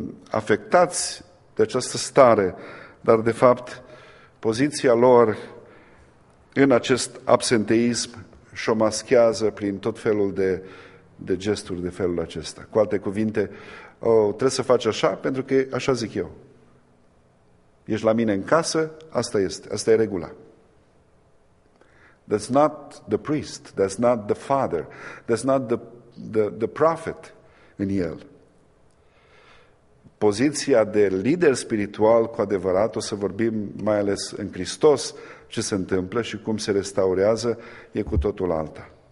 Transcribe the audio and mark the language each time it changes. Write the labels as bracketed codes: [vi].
[ro] afectați de această stare, dar de fapt poziția lor în acest absenteism și-o maschează prin tot felul de gesturi de felul acesta. Cu alte cuvinte, trebuie să faci așa, pentru că așa zic eu. Ești la mine în casă, asta este, asta e regula. [en] That's not the priest, that's not the father, that's not the prophet [ro] în el. Poziția de lider spiritual cu adevărat, o să vorbim mai ales în Hristos ce se întâmplă și cum se restaurează, e cu totul alta.